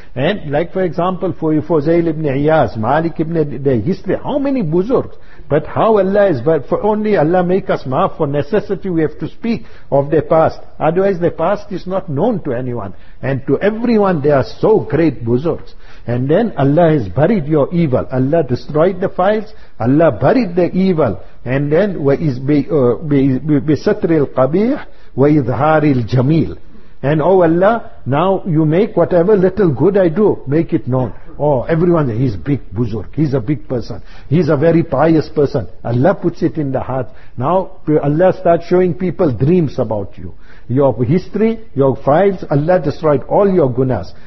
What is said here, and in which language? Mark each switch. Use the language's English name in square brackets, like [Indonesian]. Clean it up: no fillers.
[English] And like for example, for Fuzail ibn Iyaz, Malik ibn the history, how many buzurgs? But how Allah is, but for only Allah make us maaf, for necessity we have to speak of their past. Otherwise their past is not known to anyone. And to everyone they are so great buzurgs. And then Allah has buried your evil. Allah destroyed the files. Allah buried the evil. And then [Arabic] وَبِسَتْرِ الْقَبِيحِ وَإِذْهَارِ الْجَمِيلِ. [English] And oh Allah, now you make whatever little good I do, make it known. Oh, everyone, he's big buzurg, he's a big person, he's a very pious person. Allah puts it in the heart. Now Allah starts showing people dreams about you. Your history, your files, Allah destroyed all your gunas.